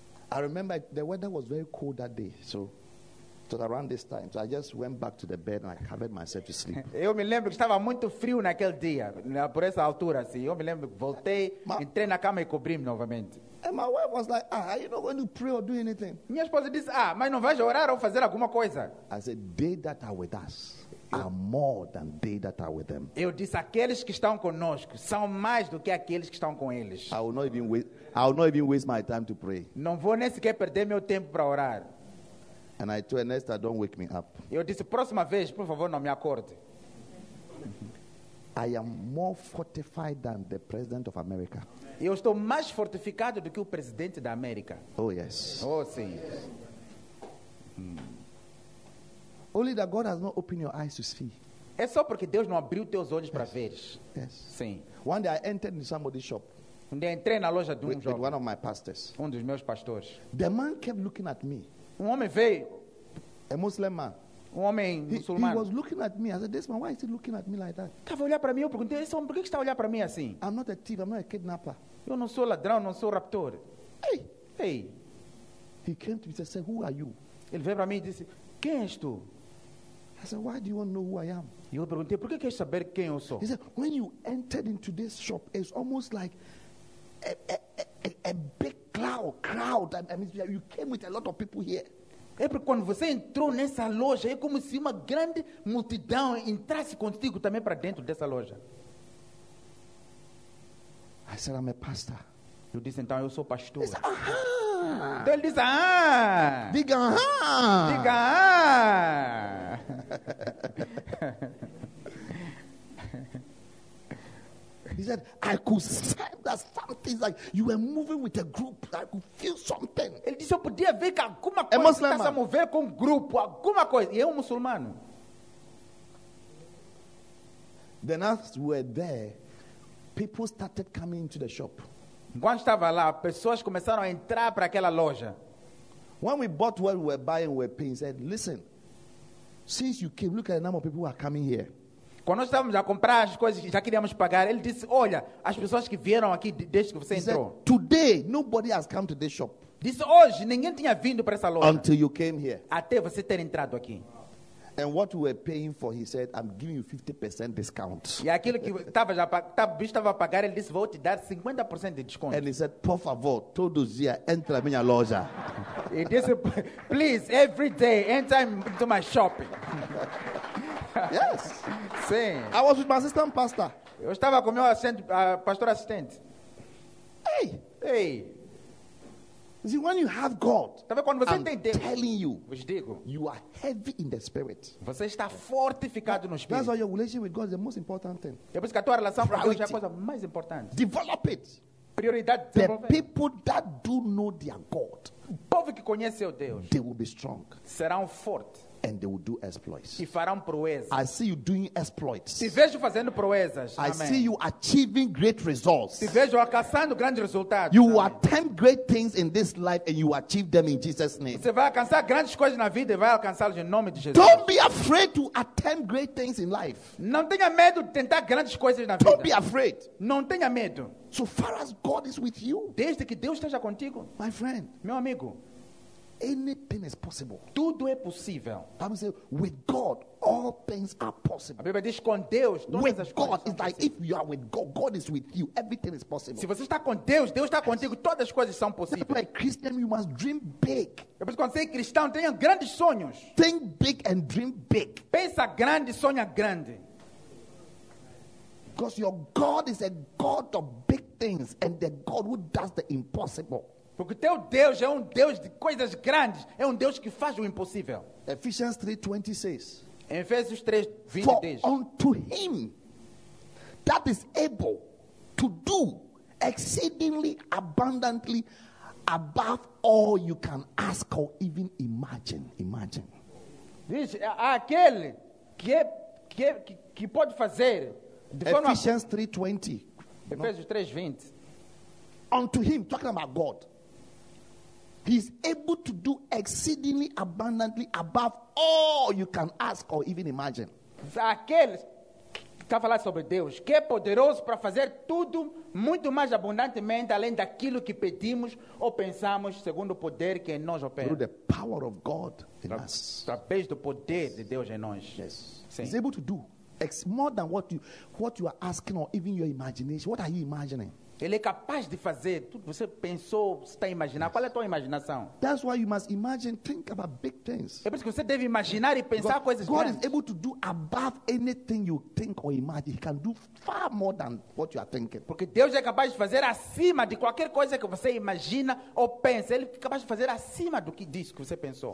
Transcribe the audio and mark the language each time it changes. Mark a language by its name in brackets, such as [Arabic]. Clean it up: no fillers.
[English] I remember the weather was very cold that day, so. So around this time, so I just went back to the bed and I covered myself to sleep. [Portuguese] Eu me lembro que estava muito frio naquele dia, por essa altura, assim. Eu me lembro que voltei, entrei na cama e cobri-me novamente. [English] And my wife was like, "Ah, are you not going to pray or do anything?" [Portuguese] Minha esposa disse, "Ah, mas não vais orar ou fazer alguma coisa?" [English] I said, "They that are with us are more than they that are with them." [Portuguese] Eu disse, aqueles que estão conosco são mais do que aqueles que estão com eles. [English] I will not even waste my time to pray. [Portuguese] Não vou nem sequer perder meu tempo para orar. [English] And I told Ernesto, "Don't wake me up." [Portuguese] Eu disse, próxima vez, por favor, não me acorde. [English] I am more fortified than the president of America. [Portuguese] Eu estou mais fortificado do que o presidente da América. [English] Oh yes. [Portuguese] Oh sim. [English] Yes. Only that God has not opened your eyes to see. [Portuguese] É só porque Deus não abriu teus olhos para veres. [English] Yes. [Portuguese] Sim. [English] One day I entered in somebody's shop. [Portuguese] Um dia entrei na loja de um jovem. [English] One of my pastors. [Portuguese] Um dos meus pastores. [English] The man kept looking at me. [Portuguese] Um homem veio. [English] A Muslim man. [Portuguese] Um homem muçulmano. [English] He was looking at me. I said, "This man, why is he looking at me like that?" [Portuguese] Estava a olhar para mim. Eu perguntei, esse homem, por que está a olhar para mim assim? [English] I'm not a thief. I'm not a kidnapper. [Portuguese] Eu não sou ladrão, não sou raptor. Hey. Hey. [English] He came to me and said, "Who are you?" [Portuguese] Ele veio para mim e disse, "Quem és tu?" [English] I said, "Why do you want to know who I am?" [Portuguese] E eu perguntei, "Por que queres saber quem eu sou?" [English] He said, "When you entered into this shop, it's almost like a big crowd. I mean, you came with a lot of people here." [Portuguese] É porque quando você entrou nessa loja, é como se uma grande multidão entrasse contigo também para dentro dessa loja. I said, "I'm a pastor." Eu disse, "Então eu sou pastor." He said, "Aha." Então ele disse, "Aha." Diga, "Aha." Diga, "Aha." [English] He said, "I could sense that something like you were moving with a group. I could feel something." [Portuguese] Ele disse, "Eu podia ver que alguma coisa estava a mover com um grupo, alguma coisa." E é um muçulmano. [English] Then as we were there, people started coming into the shop. [Portuguese] Quando estava lá, pessoas começaram a entrar para aquela loja. [English] When we bought what we were buying, we were paying. Said, "Listen, since you came, look at the number of people who are coming here." [Portuguese] Quando nós estávamos a comprar as coisas que já queríamos pagar, ele disse, "Olha, as pessoas que vieram aqui desde que você [English] he [Portuguese] entrou." [English] Said, "Today, nobody has come to this shop." [Portuguese] Disse, "Hoje, ninguém tinha vindo para essa loja." [English] "Until you came here." [Portuguese] Até você ter entrado aqui. [English] "And what we were paying for," he said, "I'm giving you 50% discount." [Portuguese] E aquilo que estava já estava a pagar, ele disse, "Vou te dar 50% de desconto." [English] And he said, [Portuguese] "Por favor, todos dias, entra na minha loja." [English] He [Portuguese] disse, [English] "Please, every day, enter into my shop." Yes. [Portuguese] Sim. [English] I was with my assistant pastor. [Portuguese] Eu estava com meu pastor assistente. Hey. Hey. [English] You see, when you have God, [Portuguese] quando você [English] I'm [Portuguese] tem Deus, [English] telling you, [Portuguese] vos digo, [English] you are heavy in the spirit. [Portuguese] Você está fortificado no espírito. [English] That's why your relationship with God is the most important thing. [Portuguese] É por isso que a tua relação com Deus é a coisa mais importante. [English] Develop it. [Portuguese] Prioridade. [English] The people that do know their God, [Portuguese] o povo que conhece o Deus, [English] they will be strong. [Portuguese] Serão fortes. [English] And they will do exploits. [Portuguese] E farão proezas. [English] I see you doing exploits. [Portuguese] Te vejo fazendo proezas. [English] I see you achieving great results. [Portuguese] Te vejo alcançando grandes resultados. [English] You will attempt great things in this life and you achieve them in Jesus' name. [Portuguese] Você vai alcançar grandes coisas na vida e vai alcançá-las em nome de Jesus. [English] Don't be afraid to attempt great things in life. [Portuguese] Não tenha medo de tentar grandes coisas na vida. [English] Don't be afraid. [Portuguese] Não tenha medo. [English] So far as God is with you. [Portuguese] Desde que Deus esteja contigo. [English] My friend. [Portuguese] Meu amigo. [English] Anything is possible. [Portuguese] Tudo é possível. [English] I'm saying, with God, all things are possible. [Portuguese] A Bíblia diz, com Deus, todas [English] with [Portuguese] as coisas [English] God, [Portuguese] são [English] it's like if you are with God, God is with you. Everything is possible. [Portuguese] Se você está com Deus, Deus está contigo. Todas as coisas são possíveis. [English] Like Christian, you must dream big. [Portuguese] Eu preciso, quando você é cristão, tenha grandes sonhos. [English] Think big and dream big. [Portuguese] Pensa grande, sonha grande. [English] Because your God is a God of big things, and the God who does the impossible. [Portuguese] Porque teu Deus é um Deus de coisas grandes. É um Deus que faz o impossível. [English] Ephesians 3:20 says. [Portuguese] Em Efésios 3:20 [English] for [Portuguese] diz. [English] For unto him that is able to do exceedingly abundantly above all you can ask or even imagine. Imagine. [Portuguese] Diz, aquele que pode fazer. [English] Ephesians 3:20. [Portuguese] Efésios 3:20. [English] Unto him, talking about God. He is able to do exceedingly abundantly above all you can ask or even imagine. [Portuguese] Aquele que está falando sobre Deus, que é poderoso para fazer tudo muito mais abundantemente além daquilo que pedimos ou pensamos segundo o poder que em nós opera. [English] Through the power of God in us. [Portuguese] Através do poder de Deus em nós. [English] Yes. He is able to do more than what you are asking or even your imagination. What are you imagining? [Portuguese] Ele é capaz de fazer tudo. Você pensou, você está a imaginar. [English] Yes. [Portuguese] Qual é a tua imaginação? [English] That's why you must imagine, think about big things. [Portuguese] É por isso que você deve imaginar e pensar [English] God, [Portuguese] coisas [English] God [Portuguese] grandes. [English] God is able to do above anything you think or imagine. He can do far more than what you are thinking. [Portuguese] Porque Deus é capaz de fazer acima de qualquer coisa que você imagina ou pensa. Ele é capaz de fazer acima do que diz que você pensou.